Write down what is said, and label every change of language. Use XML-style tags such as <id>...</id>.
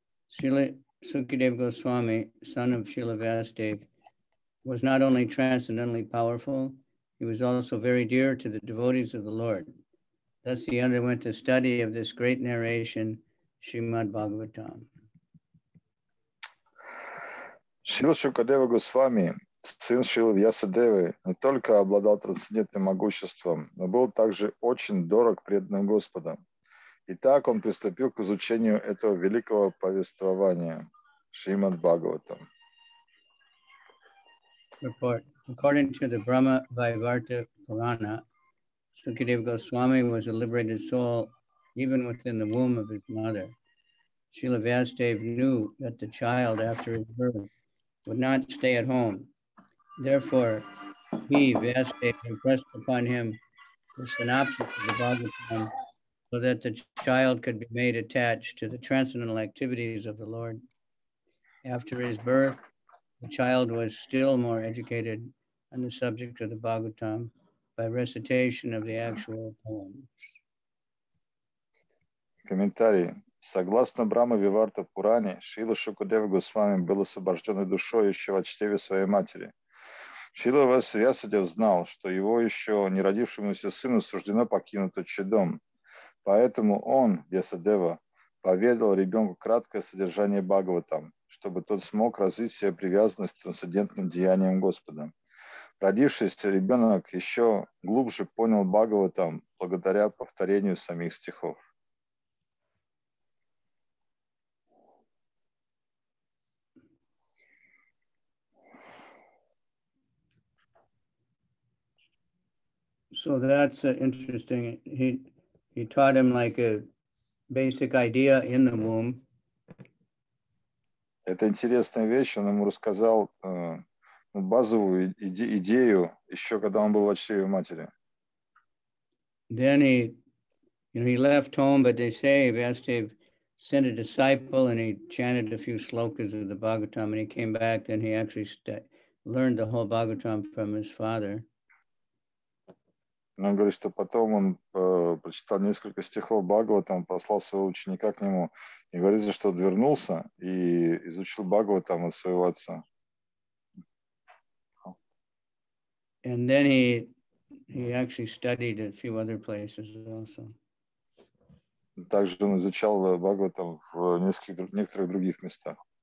<en>Srila Sukadeva Goswami, son of Srila Vyasadeva, was not only transcendentally powerful, he was also very dear to the devotees of the Lord. Thus he underwent the study of this great narration, Srimad Bhagavatam.</en> <ru>Шрила Шукадева Госвами, сын Шрилы Вьясадевы, не только обладал трансцендентным могуществом, но был также очень дорог преданным Господом. И так он приступил к изучению этого великого повествования Шримад Бхагаватам.</ru> <en>Report. According to the Brahma Vaivarta Purana, Sukadeva Goswami was a liberated soul even within the womb of his mother. Srila Vyasadeva knew that the child after his birth would not stay at home. Therefore, he, Vyasadeva, impressed upon him the synopsis of the Bhagavatam so that the child could be made attached to the transcendental activities of the Lord. After his birth, the child was still more educated on the subject of the Bhagavatam by recitation of the actual poems. Commentary.</en> <ru>Согласно Брама Виварта Пуране, Шрила Шукадева Госвами был освобожден душой еще во чреве своей матери. Шрила Вьясадев знал, что его еще не родившемуся сыну суждено покинуть отчий дом. Поэтому он, Вьясадева, поведал ребенку краткое содержание Бхагаватам, чтобы тот смог развить себе привязанность к трансцендентным деяниям Господа. Родившийся ребенок еще глубже понял Бхагаватам благодаря повторению самих стихов.</ru> <en>So that's interesting. He taught him like a basic idea in the womb.</en> <ru>Это интересная вещь. Он ему рассказал базовую идею еще когда он был в чреве матери.</ru> <en>Then he left home, but they say Vyasadeva sent a disciple and he chanted a few slokas of the Bhagavatam and he came back and he actually learned the whole Bhagavatam from his father.</en> <ru>Он говорит, что потом он прочитал несколько стихов Бхагаватам, послал своего ученика к нему и говорит, что он вернулся и изучил Бхагаватам от своего отца.</ru> <en>And then he actually studied a few other places also.</en> <ru>Также он изучал Бхагаватам в некоторых других местах.</ru>